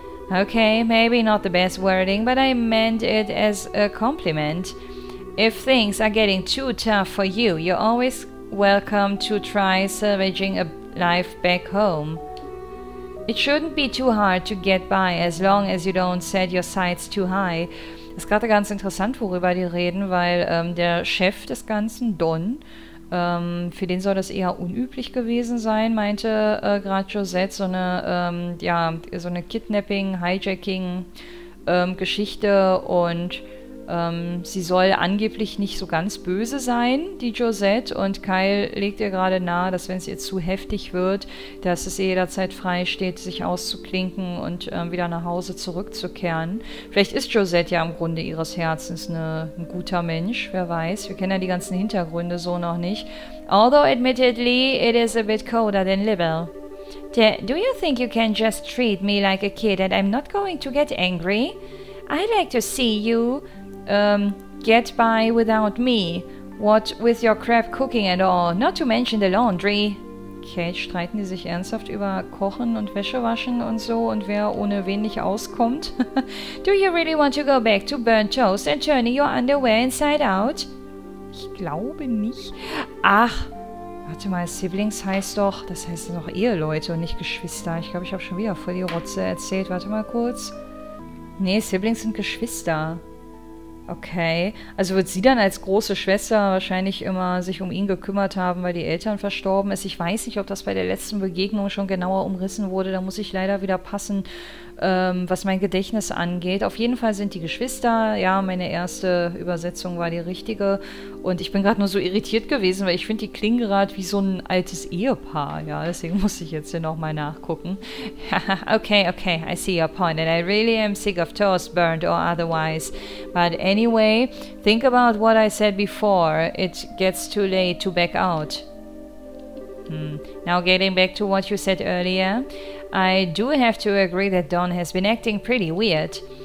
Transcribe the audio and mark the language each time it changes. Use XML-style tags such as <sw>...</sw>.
<en>Okay, maybe not the best wording, but I meant it as a compliment. If things are getting too tough for you, you're always welcome to try salvaging a life back home. It shouldn't be too hard to get by, as long as you don't set your sights too high.</en> <de>Ist gerade ganz interessant, worüber die reden, weil der Chef des Ganzen, Don, für den soll das eher unüblich gewesen sein, meinte gerade Josette, so eine, ja, so eine Kidnapping-Hijacking-Geschichte und sie soll angeblich nicht so ganz böse sein, die Josette, und Kyle legt ihr gerade nahe, dass wenn es ihr zu heftig wird, dass es ihr jederzeit frei steht, sich auszuklinken und wieder nach Hause zurückzukehren. Vielleicht ist Josette ja im Grunde ihres Herzens ein guter Mensch, wer weiß. Wir kennen ja die ganzen Hintergründe so noch nicht.</de> <en>Although admittedly, it is a bit colder than Libel. Do you think you can just treat me like a kid and I'm not going to get angry? I'd like to see you get by without me. What with your crap cooking and all, not to mention the laundry.</en> <de>Okay, streiten die sich ernsthaft über Kochen und Wäsche waschen und so und wer ohne wen nicht auskommt?</de> <en>Do you really want to go back to burnt toast and turning your underwear inside out?</en> <de>Ich glaube nicht. Ach, warte mal, Siblings heißt doch, das heißt doch Eheleute und nicht Geschwister. Ich glaube, ich habe schon wieder voll die Rotze erzählt. Warte mal kurz. Nee, Siblings sind Geschwister. Okay, also wird sie dann als große Schwester wahrscheinlich immer sich um ihn gekümmert haben, weil die Eltern verstorben ist. Ich weiß nicht, ob das bei der letzten Begegnung schon genauer umrissen wurde. Da muss ich leider wieder passen, was mein Gedächtnis angeht. Auf jeden Fall sind die Geschwister, ja, meine erste Übersetzung war die richtige. Und ich bin gerade nur so irritiert gewesen, weil ich finde, die klingen gerade wie so ein altes Ehepaar. Ja, deswegen muss ich jetzt hier nochmal nachgucken.</de> <en>Okay, I see your point and I really am sick of toast burnt or otherwise. But anyway, think about what I said before. It gets too late to back out. Now getting back to what you said earlier, I do have to agree that Don has been acting pretty weird.</en>